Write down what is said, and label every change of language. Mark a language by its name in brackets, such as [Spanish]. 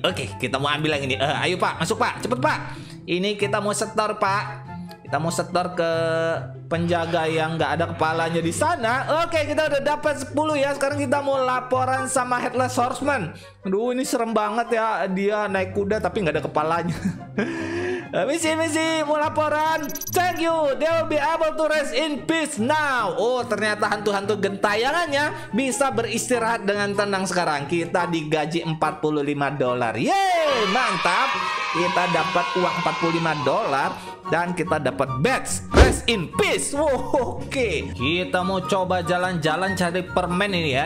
[Indonesian] Oke, kita mau ambil yang ini. Ayo Pak, masuk Pak, cepet Pak. Ini kita mau setor, Pak. Kita mau setor ke penjaga yang nggak ada kepalanya di sana. Oke, kita udah dapat 10 ya. Sekarang kita mau laporan sama Headless Horseman. Aduh, ini serem banget ya. Dia naik kuda tapi nggak ada kepalanya. Misi, misi, mau laporan. [English] Thank you, they will be able to rest in peace now. [Indonesian] Oh, ternyata hantu-hantu gentayangannya bisa beristirahat dengan tenang sekarang. Kita digaji $45. Yeay, mantap. Kita dapat uang $45 dan kita dapat badge rest in peace. Wow, oke. Kita mau coba jalan-jalan cari permen ini ya.